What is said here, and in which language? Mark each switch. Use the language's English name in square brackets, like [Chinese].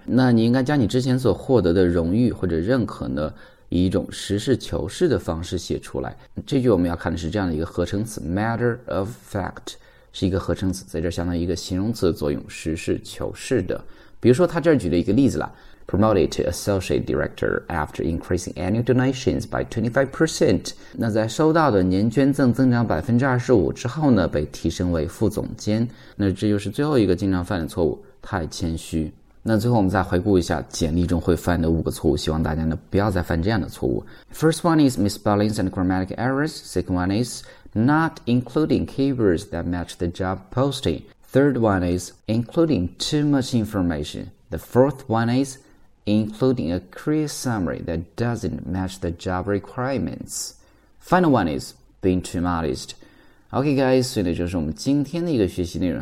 [Chinese] 那你应该将你之前所获得的荣誉或者认可呢，以一种实事求是的方式写出来。这句我们要看的是这样的一个合成词， matter of fact，是一个合成词，在这相当于一个形容词的作用，实事求是的。比如说他这儿举了一个例子了， [English] Promoted to associate director after increasing annual donations by 25%， [Chinese] 那在收到的年捐赠增长 25% 之后呢，被提升为副总监。那这就是最后一个经常犯的错误，太谦虚。那最后我们再回顾一下简历中会犯的五个错误，希望大家呢不要再犯这样的错误。 [English] First one is misspellings and grammatic errors. Second one is not including keywords that match the job posting. Third one is including too much information. The fourth one is including a clear summary that doesn't match the job requirements. Final one is being too modest. Okay guys, [Chinese] 所以呢就是我们今天的一个学习内容。